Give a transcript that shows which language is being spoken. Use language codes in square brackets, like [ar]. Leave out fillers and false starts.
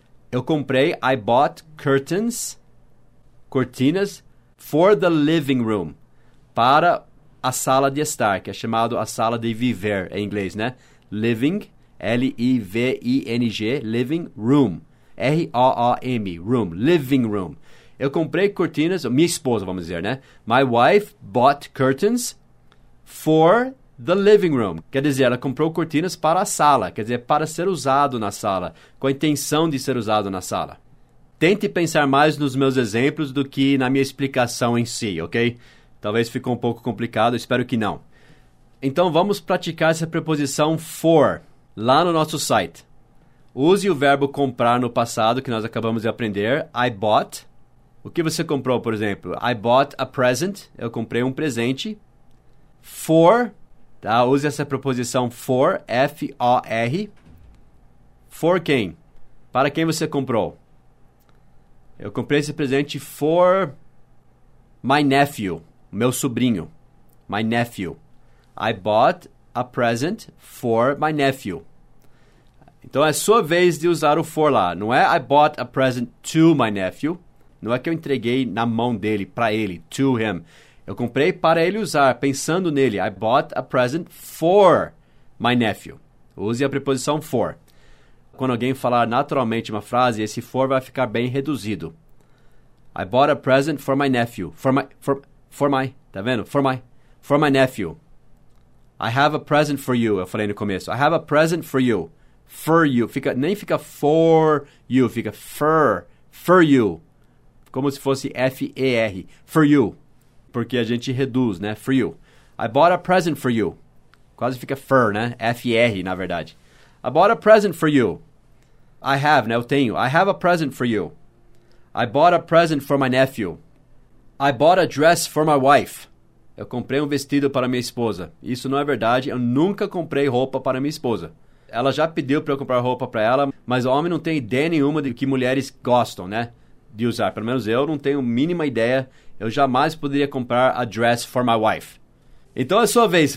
[pt] Eu comprei, [en] I bought curtains, [pt] cortinas, [en] for the living room, [pt] para a sala de estar, que é chamado a sala de viver, em inglês, né? [en] Living, L-I-V-I-N-G, living room, R-O-O-M, room, living room. [pt] Eu comprei cortinas, minha esposa, vamos dizer, né? [en] My wife bought curtains for the living room. [pt] Quer dizer, ela comprou cortinas para a sala, quer dizer, para ser usado na sala, com a intenção de ser usado na sala. Tente pensar mais nos meus exemplos do que na minha explicação em si, ok? Talvez ficou um pouco complicado, espero que não. Então, vamos praticar essa preposição for lá no nosso site. Use o verbo comprar no passado, que nós acabamos de aprender. [en] I bought. [pt] O que você comprou, por exemplo? [en] I bought a present. [pt] Eu comprei um presente. For. Tá? Use essa preposição for, F-O-R. For quem? Para quem você comprou? Eu comprei esse presente [en] for my nephew, [pt] meu sobrinho. [en] My nephew. I bought a present for my nephew. [pt] Então, é sua vez de usar o for lá. Não é [en] I bought a present to my nephew. [pt] Não é que eu entreguei na mão dele, para ele, [en] to him. [pt] Eu comprei para ele usar, pensando nele. [en] I bought a present for my nephew. [pt] Use a preposição for. Quando alguém falar naturalmente uma frase, esse for vai ficar bem reduzido. [en] I bought a present for my nephew. For my, [pt] tá vendo? [en] For my nephew. I have a present for you, [pt] eu falei no começo. [en] I have a present for you. For you. [pt] Fica, nem fica [en] for you, [pt] fica for you. Como se fosse F-E-R. [en] For you. [pt] Porque a gente reduz, né? For you. [en] I bought a present for you. [pt] Quase fica for, né? F-E-R, na verdade. [en] I bought a present for you. I have, né? [pt] Eu tenho. [en] I have a present for you. I bought a present for my nephew. I bought a dress for my wife. [pt] Eu comprei um vestido para minha esposa. Isso não é verdade. Eu nunca comprei roupa para minha esposa. Ela já pediu para eu comprar roupa para ela, mas o homem não tem ideia nenhuma de que mulheres gostam, né? De usar. Pelo menos eu não tenho mínima ideia. Eu jamais poderia comprar [en] a dress for my wife. [pt] Então é sua vez.